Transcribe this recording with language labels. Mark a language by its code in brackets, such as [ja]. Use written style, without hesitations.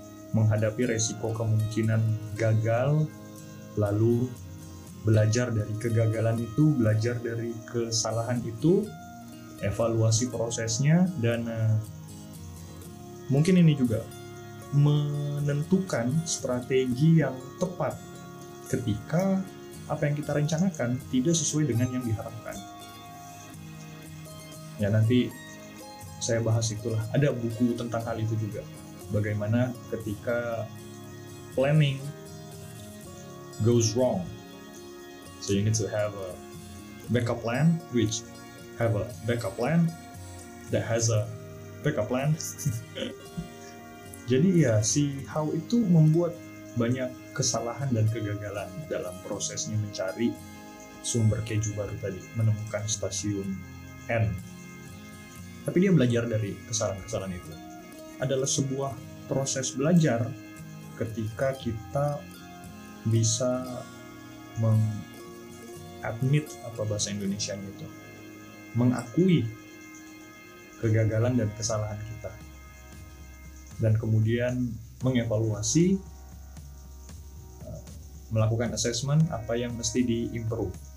[id] Menghadapi resiko kemungkinan gagal, lalu belajar dari kegagalan itu, belajar dari kesalahan itu, evaluasi prosesnya, dan mungkin ini juga menentukan strategi yang tepat ketika apa yang kita rencanakan tidak sesuai dengan yang diharapkan. Ya, nanti saya bahas itulah, ada buku tentang hal itu juga. Bagaimana ketika [en] planning goes wrong, so you need to have a backup plan, which have a backup plan that has a backup plan. [id] Jadi ya, si Hao itu membuat banyak kesalahan dan kegagalan dalam prosesnya mencari sumber keju baru tadi, menemukan stasiun N. Tapi dia belajar dari kesalahan-kesalahan itu. Adalah sebuah proses belajar ketika kita bisa mengadmit, apa bahasa Indonesianya itu, mengakui kegagalan dan kesalahan kita, dan kemudian mengevaluasi, melakukan assessment apa yang mesti diimprove.